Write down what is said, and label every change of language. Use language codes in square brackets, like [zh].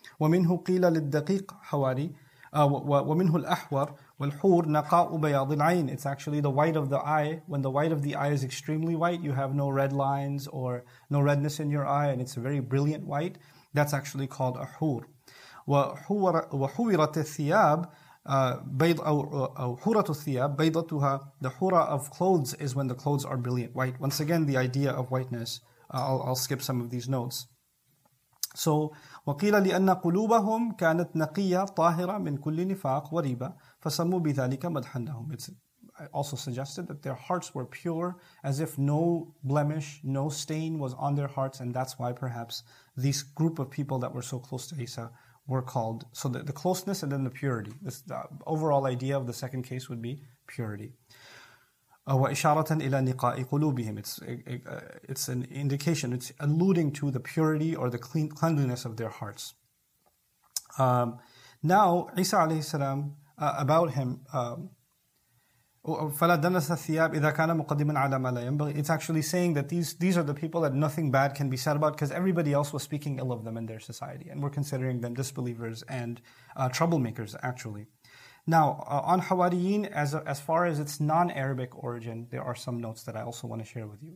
[ar] وَمِنْهُ قِيلَ لِلدَّقِيقِ حَوَارِي وَمِنْهُ الْأَحْوَرُ وَالْحُورُ نَقَاءُ بَيَاضِ الْعَيْنِ. [en] It's actually the white of the eye. When the white of the eye is extremely white, you have no red lines or no redness in your eye, and it's a very brilliant white. That's actually called a hur. [ar] وَحُوِرَتِ الثِّيَابِ بَيْضَ أو حُورَةُ الثِّيَابِ بَيْضَتُهَا. [en] The hura of clothes is when the clothes are brilliant white. Once again, the idea of whiteness. I'll skip some of these notes. [ar] So, وَقِيلَ لِأَنَّ قُلُوبَهُمْ كَانَتْ نَقِيَّةً طَاهِرَةً مِنْ كُلِّ نِفَاقٍ وَرِيبَ فَسَمُوا بِذَلِكَ مَدْحًا لَهُمْ. [en] It's also suggested that their hearts were pure, as if no blemish, no stain was on their hearts, and that's why perhaps this group of people that were so close to Isa were called. So the closeness and then the purity. This, the overall idea of the second case would be purity. [ar] وَإِشَارَةً إِلَى نِقَاءِ قُلُوبِهِمْ. [en] It's an indication, it's alluding to the purity or the cleanliness of their hearts. Now, Isa alayhi salam, about him, [ar] فَلَدَّنَسَ الثِّيَابِ إِذَا كَانَ مُقَدِّمًا عَلَى مَا لَا يَنْبَغِي. [en] It's actually saying that these are the people that nothing bad can be said about because everybody else was speaking ill of them in their society and we're considering them disbelievers and troublemakers actually. Now, on Hawariyin, as far as its non-Arabic origin, there are some notes that I also want to share with you.